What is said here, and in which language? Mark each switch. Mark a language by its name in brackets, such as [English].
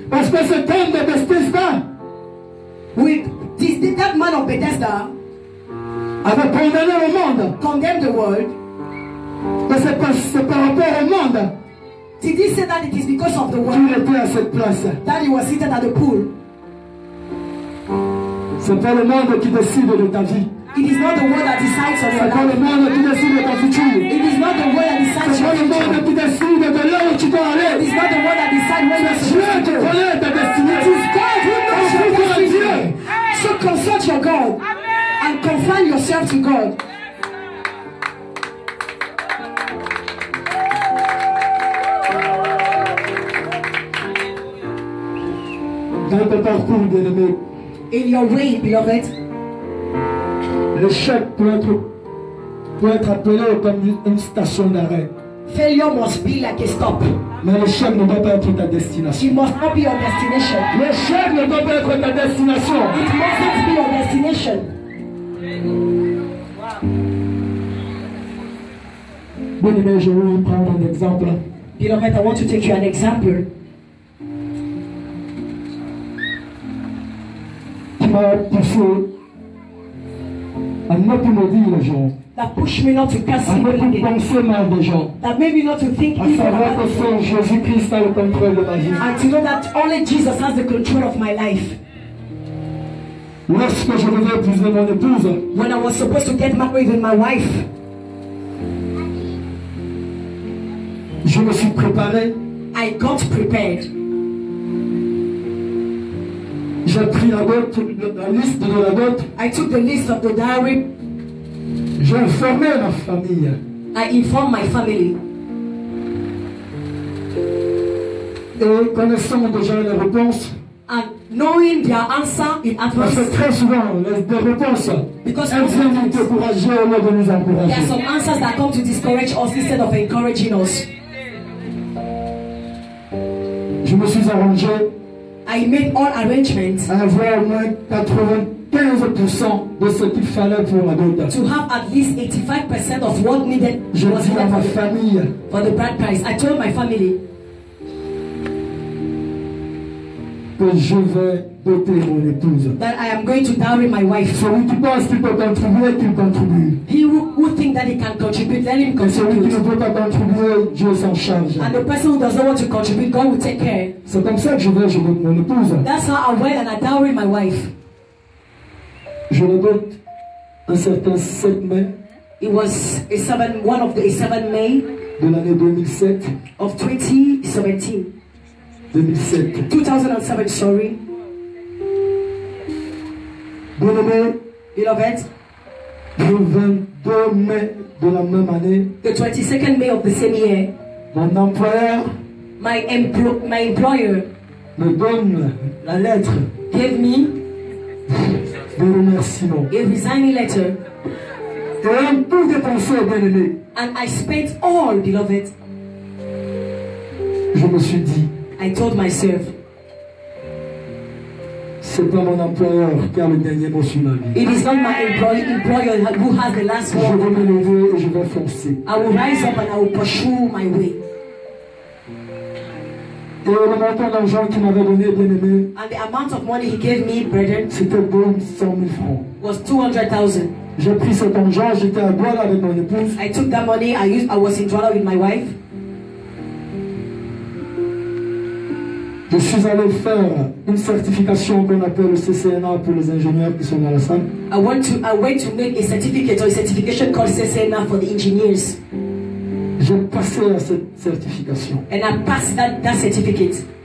[French] Parce que cet homme de Bethesda, [English] with this that man of Bethesda. [French] Avait condamné le monde. [English] Condemn the world. [French] Mais c'est par rapport au monde. [English] Did he say that it is because of the world? [French] Il était à cette place. [English] That he was seated at the pool. [French] C'est pas le monde qui décide de ta vie. [English] It is not the world that decides on your life. [French] C'est pas le monde qui décide de ta future. [English] It is not the world that decides your future. [French] C'est pas le monde qui décide de là où tu dois aller. [English] It is not the world that decides where you are going. [French] Dieu te connaît ta destinée. [English] It is God who knows your destiny. So consult your God. And confirm yourself to God. [French] Dans ton parcours, bien-aimé, [English] in your way, beloved, [French] l'échec peut être appelé comme une station d'arrêt. [English] Failure must be like a stop. [French] Mais l'échec ne doit pas être ta destination. [English] It must not be your destination. [French] L'échec ne doit pas être ta destination. [English] It must not be your destination. [French] Bien aimé, je vais vous prendre un exemple. [English] Beloved, I want to take you an example. [French] Qui m'a poussé à ne plus maudire les gens. [English] That pushed me not to cast evil at people. [French] À ne plus penser mal des gens. [English] That made me not to think evil about people. [French] À savoir que seul Jésus-Christ a le contrôle de ma vie. [English] And to know that only Jesus has the control of my life. [French] Lorsque je devais épouser mon épouse, [English] when I was supposed to get married with my wife, [French] je me suis préparé. [English] I got prepared. [French] J'ai pris la note, la liste de la dot. [English] I took the list of the diary. [French] J'ai informé ma famille. [English] I informed my family. [French] Et connaissant déjà les réponses. [English] And knowing their answer in advance. [French] Parce que très souvent, les réponses. [English] Because [French] elles viennent nous décourager au lieu de nous encourager. [English] There are some answers that come to discourage us instead of encouraging us. [French] Je me suis arrangé. [English] I made all arrangements. [French] À avoir au moins 95% de ce qu'il fallait pour la dot. [English] To have at least 85% of what needed. [French] Je dis à ma famille. [English] For the bride price, I told my family. [French] Que je vais doter mon épouse. [English] That I am going to dowry my wife. [French] Celui qui pense qu'il peut contribuer, qu'il contribue. [English] He who thinks that he can contribute, let him contribute. [French] Celui qui ne peut pas contribuer, Dieu s'en charge. [English] And the person who does not want to contribute, God will take care. [French] C'est comme ça que je vais doter mon épouse. [English] That's how I wed and I dowry my wife. [French] Je le dote un certain 7 mai. [English] It was a 7 May. [French] De l'année 2007. [English] Of 2017. 2007. [French] Bien-aimé, [English] beloved, [French] le 22 mai de la même année, [English] the 22nd May of the same year, [French] mon employeur, [English] my employer, [French] me donne la lettre, [English] gave me [French] de remerciement, [English] a resigning letter, [French] et un peu de pensée, bien-aimé, [English] and I spent all, beloved, [French] je me suis dit, [English] I told myself, [French] c'est pas mon employeur qui a le dernier mot sur ma vie. [English] It is not my employer who has the last word. [French] Je vais me lever et je vais foncer. [English] I will rise up and I will pursue my way. [French] Et le montant d'argent qu'il m'avait donné, bien-aimé, [English] and the amount of money he gave me, brethren, [French] c'était bon 100,000 francs. [English] Was 200,000. [French] J'ai pris cet argent, j'étais à Douala avec mon épouse. [English] I took that money, I was in Douala with my wife. [French] Je suis allé faire une certification qu'on appelle le CCNA pour les ingénieurs qui sont dans la salle. [English] I went to make a certificate or a certification called CCNA for the engineers. [French] J'ai passé à cette certification. [English] And I passed that certificate.